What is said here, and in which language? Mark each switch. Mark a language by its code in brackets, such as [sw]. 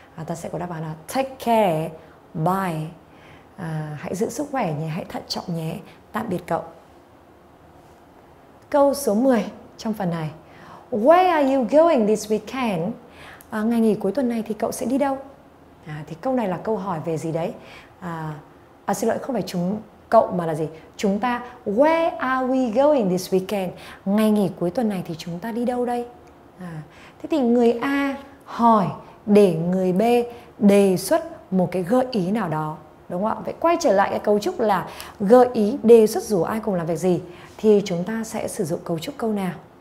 [vi] Ta sẽ có đáp án là [en] take care, bye. [vi] Hãy giữ sức khỏe nhé, hãy thận trọng nhé, tạm biệt cậu. Câu số 10 trong phần này. [en] Where are you going this weekend? [vi] Ngày nghỉ cuối tuần này thì cậu sẽ đi đâu? Thì câu này là câu hỏi về gì đấy? Xin lỗi, không phải chúng cậu mà là gì? Chúng ta, [en] where are we going this weekend? [vi] Ngày nghỉ cuối tuần này thì chúng ta đi đâu đây? Thế thì người A hỏi để người B đề xuất một cái gợi ý nào đó, đúng không ạ? Vậy quay trở lại cái cấu trúc là gợi ý, đề xuất dù ai cùng làm việc gì thì chúng ta sẽ sử dụng cấu trúc câu nào?